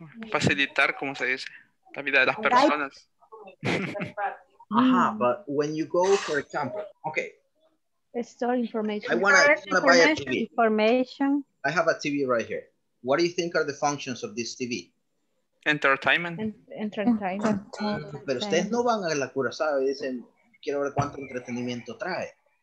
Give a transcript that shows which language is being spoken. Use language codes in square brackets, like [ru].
[es] Facilitar, como se dice, la vida de las personas. [en] Aha, but when you go, for example, okay. Store information. I want to buy a TV. Information. I have a TV right here. What do you think are the functions of this TV? Entertainment. Entertainment. [es] Pero ustedes no van a la curazada y dicen, quiero ver cuánto entretenimiento trae.